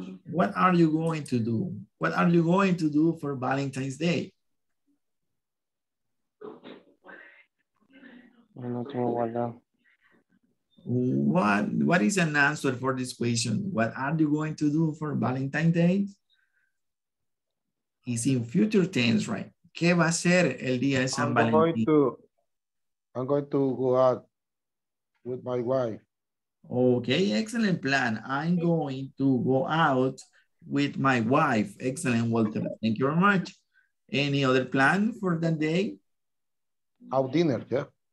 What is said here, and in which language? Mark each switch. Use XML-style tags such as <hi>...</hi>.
<en>What are you going to do? What are you going to do for Valentine's Day? What is an answer for this question? What are you going to do for Valentine's Day? It's in future tense, right?</en> <es>¿Qué va a ser el día de San Valentín?</es> <en>I'm going to go out with my wife. Okay, excellent plan. I'm going to go out with my wife. Excellent, Walter. Thank you very much. Any other plan for that day? Out dinner, yeah.</en>